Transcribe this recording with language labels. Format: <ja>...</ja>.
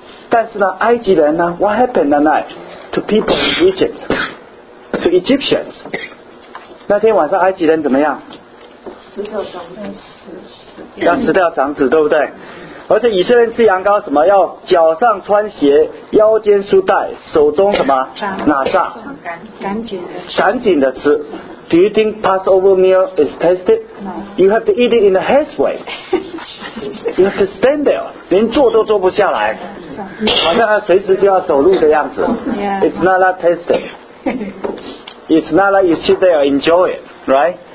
<zh>但是呢，埃及人呢 ？</zh> <en>What happened that night to people in Egypt? To Egyptians?</en> <zh>那天晚上埃及人怎么样？死掉长子，要死掉长子，对不对？而且以色列人吃羊羔什么？要脚上穿鞋，腰间束带，手中什么？拿杖。赶紧的吃。</zh> <en>Do you think Passover meal is tasted? No. You have to eat it in a haste way. You have to stand there.</en> <zh>连坐都坐不下来，好像随时就要走路的样子。</zh> <en>Yeah. It's not that tasted. It's not that you sit there and enjoy it, right?</en>